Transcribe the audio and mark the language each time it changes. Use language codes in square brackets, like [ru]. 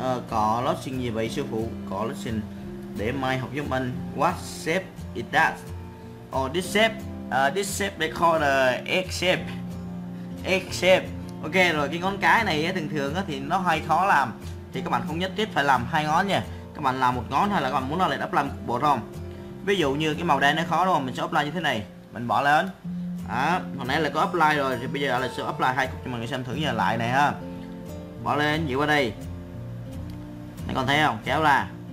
[vi] Cọ lotion gì vậy sư phụ? Cọ lotion để mai học giúp anh. [en] What shape is that? Oh, this shape they call the egg shape. [vi] Ok rồi, cái ngón cái này thường thường thì nó hơi khó làm, thì các bạn không nhất thiết phải làm hai ngón nha. Các bạn làm một ngón hay là các bạn muốn nó lại đắp làm bộ không? Ví dụ như cái màu đen nó khó đúng không? Mình sẽ apply như thế này, mình bỏ lên. Đó, hồi nãy là có apply rồi, thì bây giờ là sẽ apply hai cục cho mọi người xem thử nhờ lại này ha. Bỏ lên, dịu qua đây. Mấy con thấy không? Kéo ra.